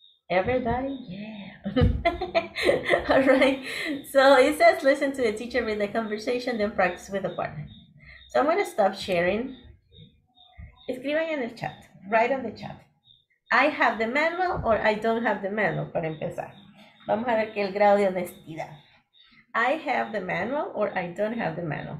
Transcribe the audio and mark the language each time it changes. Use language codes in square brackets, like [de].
[en] Everybody, yeah. All right, so it says listen to the teacher with the conversation, then practice with a partner. So I'm going to stop sharing. Escriban en el chat, write on the chat. I have the manual or I don't have the manual, para empezar. [es] Vamos a ver que el grado de honestidad. [en] I have the manual or I don't have the manual.